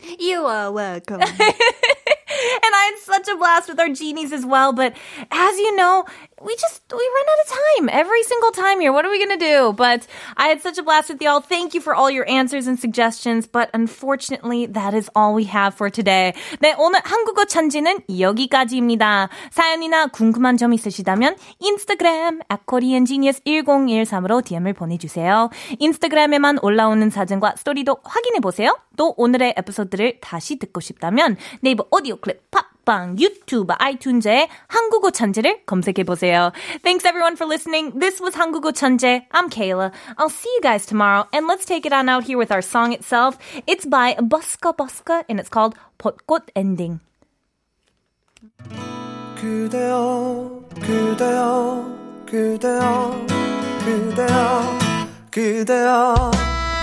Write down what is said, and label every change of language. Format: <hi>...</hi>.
<en>You are welcome. And I had such a blast with our genies as well. But as you know, we run out of time every single time here. What are we going to do? But I had such a blast with y'all. Thank you for all your answers and suggestions. But unfortunately, that is all we have for today.</en> <ko>네, 오늘 한국어 천지는 여기까지입니다. 사연이나 궁금한 점 있으시다면 인스타그램 @koreangenius1013으로 DM을 보내주세요. 인스타그램에만 올라오는 사진과 스토리도 확인해보세요. 또 오늘의 에피소드를 다시 듣고 싶다면 네이버 오디오 클립 팝! 유튜브, 아이튠즈에 한국어 천재를 검색해보세요.</ko> <en>Thanks everyone for listening. This was 한국어 천재. I'm Kayla. I'll see you guys tomorrow. And let's take it on out here with our song itself. It's by Buska Buska and it's called 벚꽃 엔딩.</en> <ko>그대여, 그대여, 그대여, 그대여, 그대여.</ko>